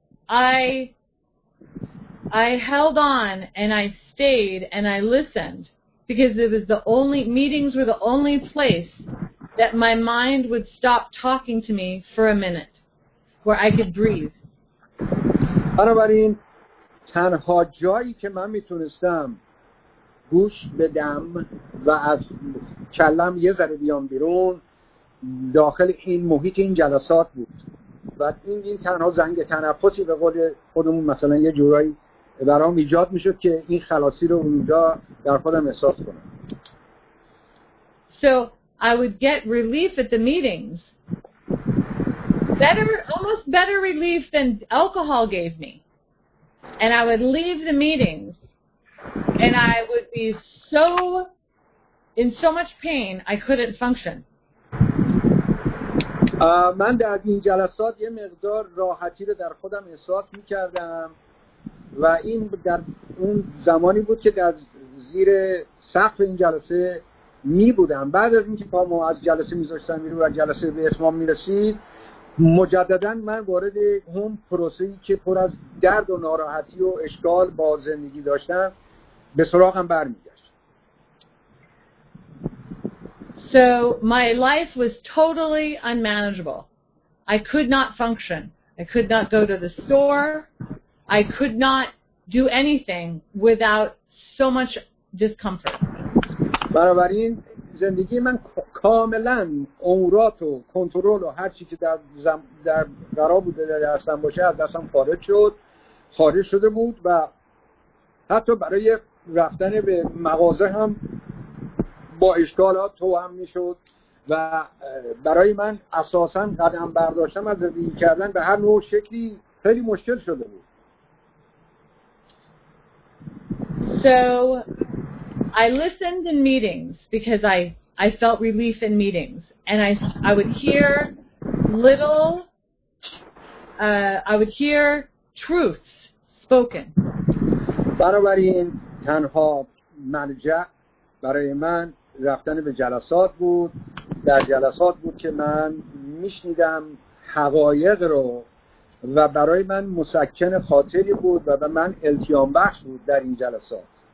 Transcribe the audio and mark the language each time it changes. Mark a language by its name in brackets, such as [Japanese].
[English] So I held on and I stayed and I listened because it was the only meetings were the only place that my mind would stop talking to me for a minute where I could breathe. [Persian] بنابراین تنها جایی که من میتونستم گوش بدم و از کلم یه ذره بیام بیرون داخل این محیط این جلسات بود و این تنها زنگ تنفسی به قول خودمون مثلا یه جورایی برام ایجاد میشد که این خلاصی رو اونجا در خودم احساس کنم. [English] So I would get relief at the meetings. Better, almost better relief than alcohol gave me. And I would leave the meetings and I would be so in so much pain I couldn't function. [Persian] من در این جلسات یه مقدار راحتی رو در خودم احساس می‌کردم و این در اون زمانی بود که در زیر سقف این جلسه می بودم. بعد از اینکه پامو از جلسه میذاشتم میرم و جلسه به اتمام میرسید، مجددا من وارد اون پروسه‌ای که پر از درد و ناراحتی و اشکال با زندگی داشتم به سراغم برمیگشت. [English] So my life was totally unmanageable. I could not function. I could not go to the store. I could not do anything without so much discomfort. [Persian] بنابراین زندگی من کاملا امورات و کنترل و هر چیزی که در قرار بود در دستم باشه از دستم خارج شده بود و حتی برای رفتن به مغازه هم با اشکالات توهم میشد و برای من اساسا قدم برداشتن از زندگی کردن به هر نوع شکلی خیلی مشکل شده بود. [English] So I listened in meetings because I felt relief in meetings, and I would hear little I would hear truths spoken. [Persian] بنابراین تنها مرجع برای من رفتن به جلسات بود. در جلسات بود که من میشنیدم حقایق رو و برای من مسکن خاطری بود و به من التیام بخش بود در این جلسات.